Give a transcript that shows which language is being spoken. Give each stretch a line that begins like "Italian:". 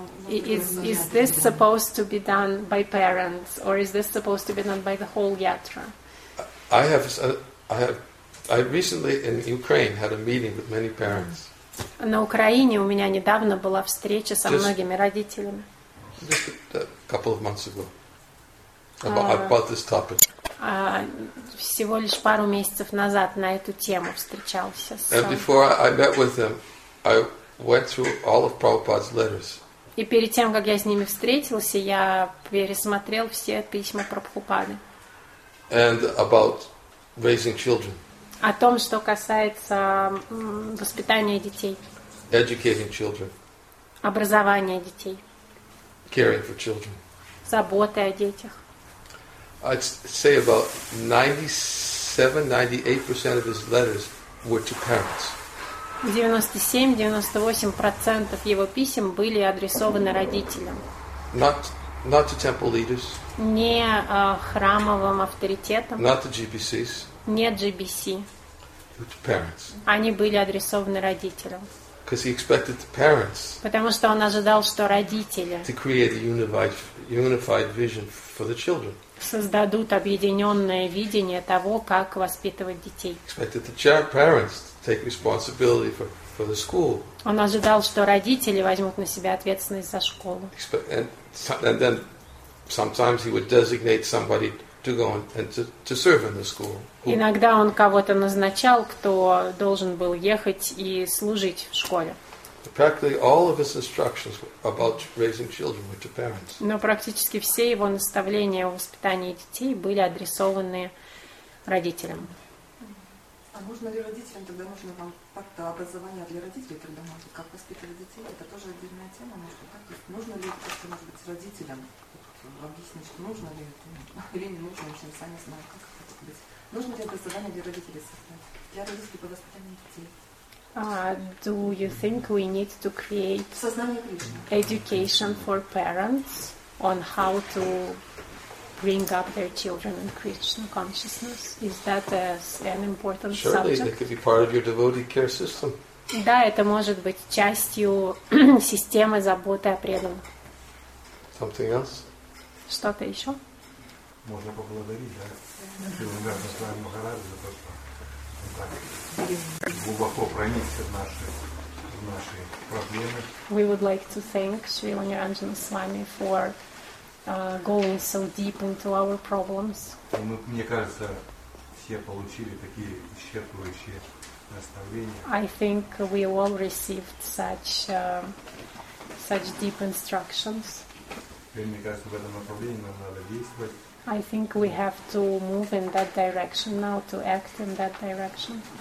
English: Is this supposed to be done by parents, or is this supposed to be done by the whole yatra? I recently in Ukraine had a meeting with many parents.
Russian: На Украине у меня недавно была встреча со многими родителями.
English: Just a couple of months ago. About this topic.
Russian: Всего лишь пару месяцев назад на эту тему встречался.
English: And before I met with them, I went through all of Prabhupada's letters.
Russian: И перед тем, как я с ними встретился, я пересмотрел все письма Прабхупады.
English: And about raising children.
Russian: О том, что касается воспитания детей.
English: Educating children.
Russian: Образование детей.
English: Caring for children.
Russian: Забота о детях.
English: I'd say about 97-98% of his letters were to parents.
Russian: 97-98% его писем были адресованы родителям.
English: Not to temple leaders.
Russian: Не храмовым авторитетам.
English: Not to GBCs.
Russian: Не GBC.
English: To parents.
Russian: Они были адресованы родителям.
English: Because he expected the parents.
Russian: Потому что он ожидал, что родители.
English: To create a unified vision for the children.
Russian: Создадут объединенное видение того, как воспитывать детей.
English: Expected the parents to take responsibility for the school.
Russian: Он ожидал, что родители возьмут на себя ответственность за школу.
English: And then sometimes he would designate somebody to go and to serve in the school.
Russian: Иногда он кого-то назначал, кто должен был ехать и служить в школе.
English: Practically all of his instructions about raising children were to parents.
Russian: Но практически все его наставления о воспитании детей были адресованы родителям. А можно ли родителям, тогда можно вам как-то образование для родителей придумать, как воспитывать детей? Это тоже отдельная тема, может быть, так? Можно ли как-то, может быть, родителям объяснить, что нужно ли это, или не нужно, если они сами знают, как это быть? Нужно ли образование для родителей создать? Для родителей по воспитанию детей.
English: Do you think we need to create education for parents on how to bring up their children in Krishna consciousness? Is that an important Surely Surely, that could be part of your devotee care system.
Russian: Да, это может быть частью системы заботы о преданных.
English: Something else?
Russian: Что-то еще? Можно поблагодарить, да? Благодарность Брахма Махараджа за то, что глубоко проникся в наши проблемы.
English: We would like to thank Srila Niranjana Swami for going so deep into our problems.
Russian: Мне кажется, все получили такие исчерпывающие наставления.
English: I think we all received such deep instructions.
Russian: Мне кажется, в этом направлении нам надо действовать.
English: I think we have to move in that direction now, to act in that direction.